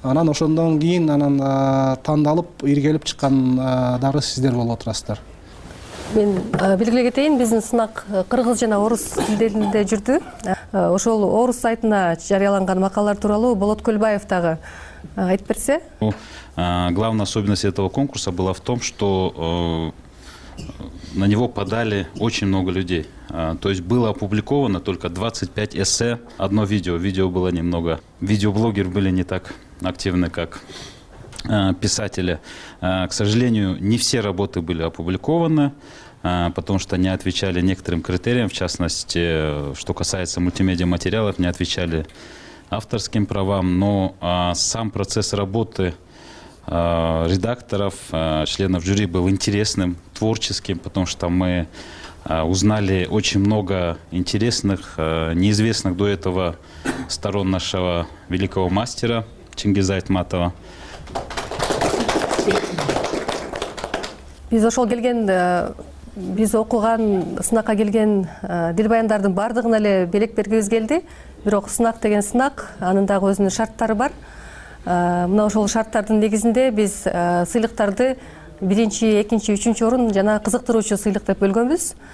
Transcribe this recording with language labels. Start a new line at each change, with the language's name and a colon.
Kyrgyz: Анан ошондон кийин анан тандалып иргелип чыккандары сиздер болуп отурасыздар. Мен белгилей кетейин, биздин сынак кыргыз жана орус тилдеринде жүрдү. Ошол орус сайтына жарыяланган макалалар тууралуу Болот Көлбаев дагы айтып берсе.
Russian: Главная особенность этого конкурса была в том, что на него подали очень много людей. То есть было опубликовано только 25 эссе, одно видео. Видео было немного. Видеоблогеры были не так активны, как писатели. К сожалению, не все работы были опубликованы, потому что не отвечали некоторым критериям, в частности, что касается мультимедиа материалов, не отвечали авторским правам. Но сам процесс работы редакторов, членов жюри был интересным, творческим, потому что мы узнали очень много интересных, неизвестных до этого сторон нашего великого мастера Чингиза Айтматова.
Kyrgyz: Биз ошол келген, биз окуган, сынакка келген дилбаяндардын баардыгын эле белек бергибиз келди. Бирок сынак деген сынак, анын дагы өзүнүн шарттары бар. Мына ошол шарттардын негизинде биз сыйлыктарды 1-чи, 2-чи, 3-чү орун жана кызыктыруучу сыйлык деп бөлгөнбүз.